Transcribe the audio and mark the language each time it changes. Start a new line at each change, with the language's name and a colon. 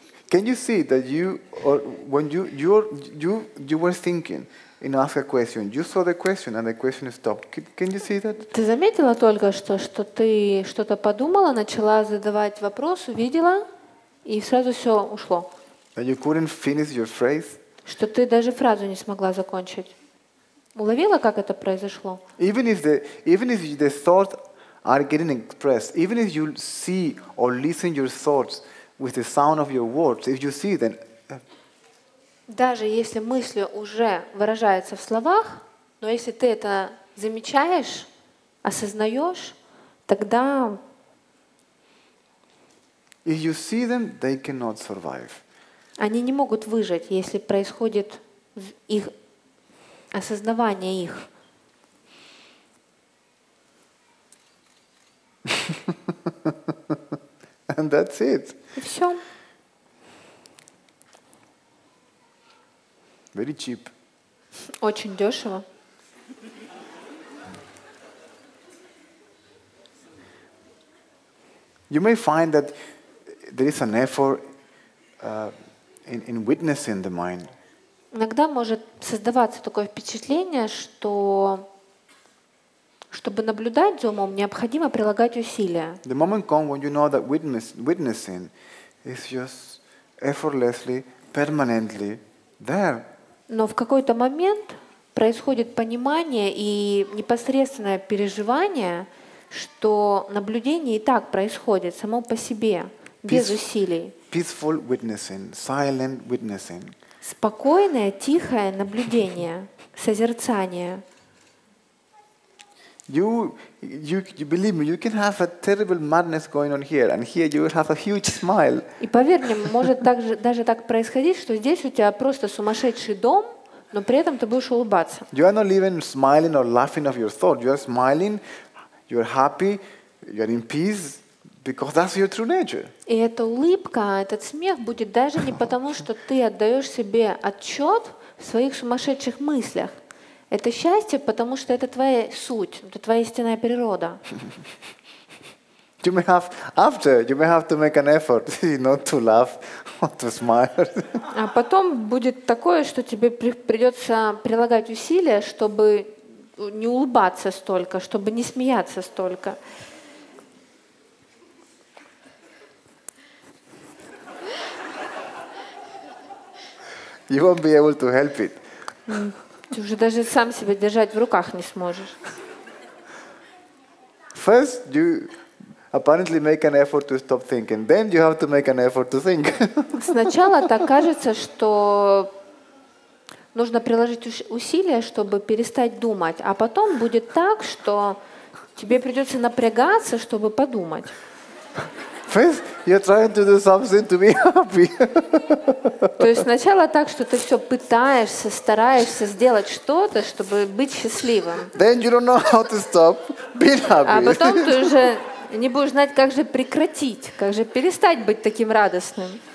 English: Can you see that when you were thinking and ask a question, you saw the question and the question stopped. Can you see that?
Russian: Ты заметила только что ты что-то подумала, начала задавать вопрос, увидела и сразу все ушло.
English: That you couldn't finish your phrase?
Russian: Что ты даже фразу не смогла закончить. Уловила, как это произошло?
English: Even if the thoughts are getting expressed, even if you see or listen your thoughts with the sound of your words, if you see, then.
Russian: Даже если мысли уже выражаются в словах, но если ты это замечаешь, осознаешь, тогда.
English: If you see them, they cannot survive.
Russian: Они не могут выжить, если происходит их осознавание их.
English: And that's it.
Russian: И все.
English: Very cheap.
Russian: Очень дешево.
English: You may find that there is an effort in witnessing the mind.
Russian: Иногда может создаваться такое впечатление, что чтобы наблюдать за умом, необходимо прилагать усилия.
English: The moment comes when you know that witnessing is just effortlessly, permanently there.
Russian: Но в какой-то момент происходит понимание и непосредственное переживание, что наблюдение и так происходит само по себе, без усилий.
English: Peaceful witnessing, silent witnessing.
Russian: Спокойное, тихое наблюдение, созерцание.
English: You believe me, you can have a terrible madness going on here, and here you will have a huge smile.
Russian: И поверь мне, может также даже так происходить, что здесь у тебя просто сумасшедший дом, но при этом ты будешь улыбаться.
English: You are not even smiling or laughing of your thought. You are smiling, you are happy, you are in peace, because that's your true nature.
Russian: И эта улыбка, этот смех будет даже не потому, что ты отдаешь себе отчет в своих сумасшедших мыслях. Это счастье, потому что это твоя суть, это твоя истинная природа.
English: You may have after, you may have to make an effort, not to laugh or to smile.
Russian: А потом будет такое, что тебе придется прилагать усилия, чтобы не улыбаться столько, чтобы не смеяться столько.
English: You won't be able to help it.
Russian: Ты уже даже сам себя держать в руках не сможешь.
English: First you apparently make an effort to stop thinking, then you have to make an effort to think.
Russian: Сначала так кажется, что нужно приложить усилия, чтобы перестать думать, а потом будет так, что тебе придется напрягаться, чтобы подумать.
English: First, you're trying to do something to be happy.
Russian: То есть сначала так, что ты все пытаешься, стараешься сделать что-то, чтобы быть счастливым.
English: Then you don't know how to stop being happy.
Russian: А потом ты уже не будешь знать, как же прекратить, как же перестать быть таким радостным.